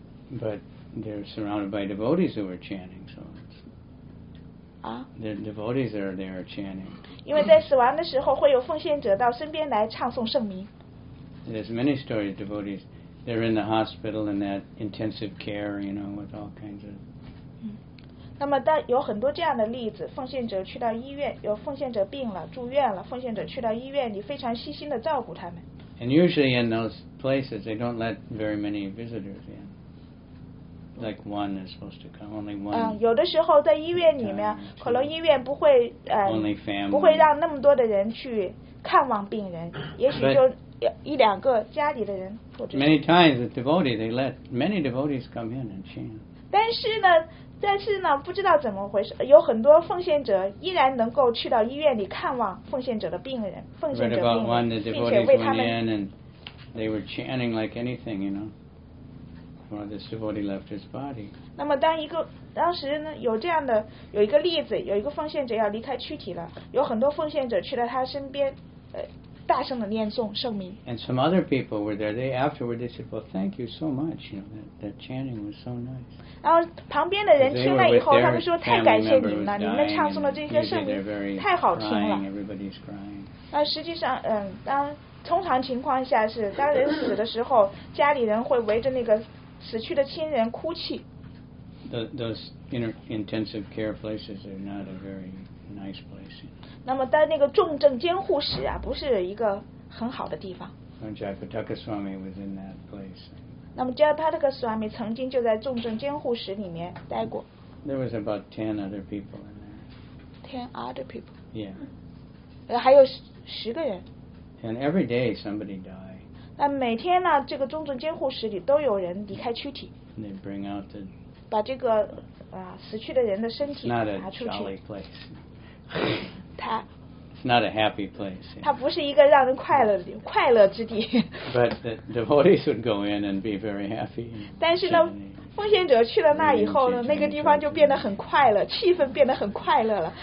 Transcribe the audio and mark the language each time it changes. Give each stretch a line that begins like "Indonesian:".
English: But they're surrounded by devotees who are chanting, so it's, the devotees are there chanting.
Chinese: 因为在死亡的时候会有奉献者到身边来唱诵圣名。
English: There's many stories of devotees. They're in the hospital in that intensive care, you know, with all kinds of.
Chinese: 那么当有很多这样的例子，奉献者去到医院，有奉献者病了，住院了，奉献者去到医院里，非常细心的照顾他们。
English: And usually in those places, they don't let very many visitors in. Like one is supposed to come, only one.
Chinese: 有的时候在医院里面，可能医院不会不会让那么多的人去看望病人，也许就一两个家里的人。
English: Many times a devotee, they let many devotees come in and chant.
Chinese: 但是呢，不知道怎么回事，有很多奉献者依然能够去到医院里看望奉献者的病人，奉献者病人，并且为他们。
English: Read about one, the devotees went in and they were chanting like anything, you know. Well, this devotee left his body.
Chinese: 那么当时呢，有这样的有一个例子，有一个奉献者要离开躯体了，有很多奉献者去了他身边，大声的念诵圣名。
English: And some other people were there. They afterward they said, "Well, thank you so much. You know that chanting was so nice."
Chinese: 然后旁边的人听了以后，他们说太感谢你们了，你们唱诵的这些圣名太好听了。
English: Everybody's crying.
Chinese: 那实际上，通常情况下是当人死的时候，家里人会围着那个。死去的亲人哭泣。
English: Those intensive care places are not a very nice place.
Chinese: 那么在那个重症监护室啊，不是一个很好的地方。
English: When Jayapataka Swami was in that place.
Chinese: 那么 Jayapataka Swami 曾经就在重症监护室里面待过。
English: There was about 10 other people in there. 10 other people. Yeah.
Chinese: 还有十个人。
English: And every day somebody died.
Chinese: 那每天呢，这个重症监护室里都有人离开躯体。
English: And they bring out the
Chinese: 把这个死去的人的身体拿出去。
English: It's not a happy place.
Chinese: 它不是一个让人快乐之地。
English: But the devotees would go in and be very happy.
Chinese: 但是呢，奉献者去了那以后呢，那个地方就变得很快乐，气氛变得很快乐了。